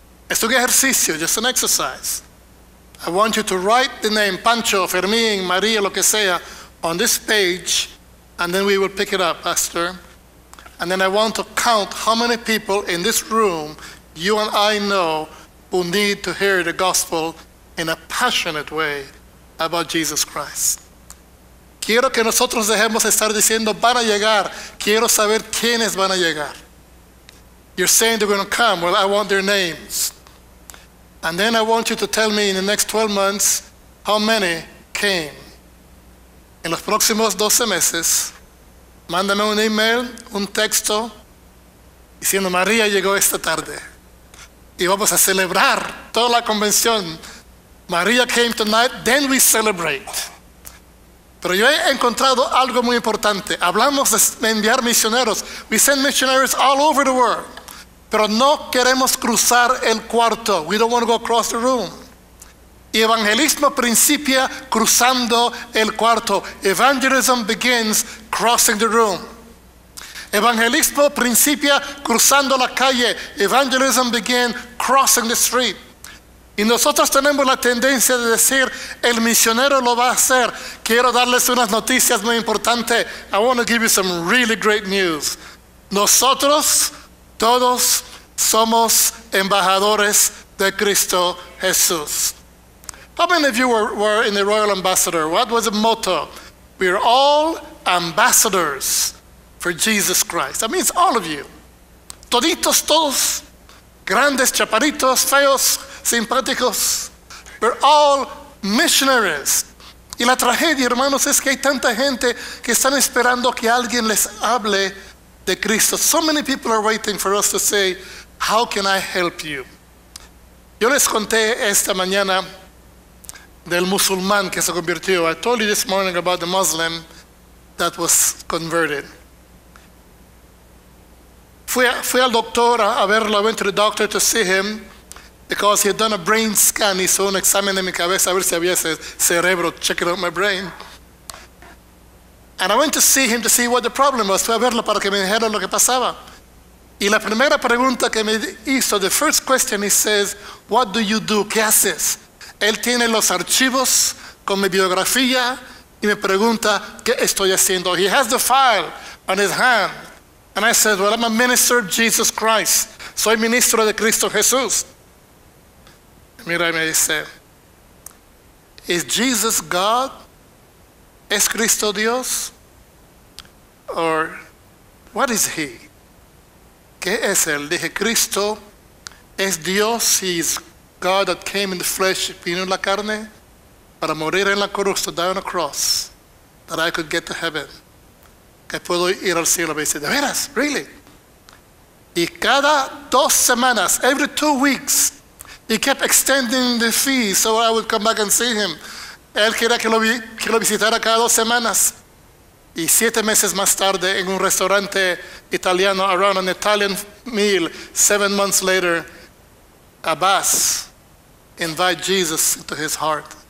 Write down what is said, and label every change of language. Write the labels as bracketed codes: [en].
[es] Es un ejercicio, [en] just an exercise. I want you to write the name Pancho, Fermín, María, [es] lo que sea, [en] on this page, and then we will pick it up, Pastor. And then I want to count how many people in this room you and I know who need to hear the gospel in a passionate way about Jesus Christ. [es] Quiero que nosotros dejemos estar diciendo, van a llegar. Quiero saber quiénes van a llegar. [en] You're saying they're going to come. Well, I want their names. And then I want you to tell me in the next 12 months how many came. [es] En los próximos 12 meses, mándame un email, un texto, diciendo María llegó esta tarde. Y vamos a celebrar toda la convención. [en] María came tonight, then we celebrate. [es] Pero yo he encontrado algo muy importante. Hablamos de enviar misioneros. [en] We send missionaries all over the world. [es] Pero no queremos cruzar el cuarto. [en] We don't want to go across the room. [es] Y evangelismo principia cruzando el cuarto. [en] Evangelism begins crossing the room. [es] Evangelismo principia cruzando la calle. [en] Evangelism begins crossing the street. [es] Y nosotros tenemos la tendencia de decir, el misionero lo va a hacer. Quiero darles unas noticias muy importantes. [en] I want to give you some really great news. [es] Nosotros todos somos embajadores de Cristo Jesús. [en] How many of you were in the Royal Ambassador? What was the motto? We're all ambassadors for Jesus Christ. That means all of you. [es] Toditos, todos, grandes, chaparitos, feos, simpáticos. [en] We're all missionaries. [es] Y la tragedia, hermanos, es que hay tanta gente que están esperando que alguien les hable de Cristo. [en] So many people are waiting for us to say, how can I help you? [es] Yo les conté esta mañana del musulmán que se convirtió. [en] I told you this morning about the Muslim that was converted. [es] Fui al doctor a verlo. [en] I went to the doctor to see him because he had done a brain scan. [es] Hizo un examen de mi cabeza a ver si había ese cerebro. [en] Checking out my brain. And I went to see him to see what the problem was. [es] Fui a verlo para que me dijera lo que pasaba. Y la primera pregunta que me hizo, [en] the first question he says, what do you do? [es] ¿Qué haces? Él tiene los archivos con mi biografía y me pregunta, ¿qué estoy haciendo? [en] He has the file on his hand. And I said, well, I'm a minister of Jesus Christ. [es] Soy ministro de Cristo Jesús. Mira, y me dice, [en] is Jesus God? [es] ¿Es Cristo Dios? [en] Or, what is he? [es] ¿Qué es él? Dije, Cristo es Dios. [en] He's God that came in the flesh, [es] vino en la carne, para morir en la cruz, [en] to die on a cross, that I could get to heaven. [es] Que puedo ir al cielo. Me dice, ¿de veras? [en] ¿Really? [es] Y cada dos semanas, [en] every 2 weeks, he kept extending the fee so I would come back and see him. [es] Él quería que lo visitara cada dos semanas. Y 7 meses más tarde, en un restaurante italiano, [en] around an Italian meal, 7 months later, Abbas invite Jesus into his heart.